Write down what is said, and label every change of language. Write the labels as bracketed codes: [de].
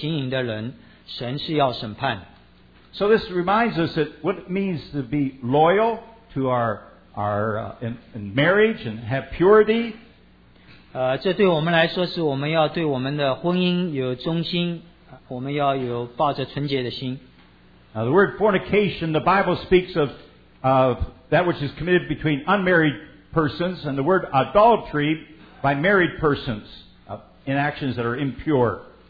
[zh] 婚姻人人都当尊重，床也不可污秽，因为苟合行淫的人，神是要审判。 [en] So this reminds us that what it means to be loyal to our marriage and have purity. [zh] 这对我们来说是我们要对我们的婚姻有忠心，我们要有抱着纯洁的心。 [en] Now the word fornication, the Bible speaks of that which is committed between unmarried persons, and the word adultery by married persons in actions that are impure.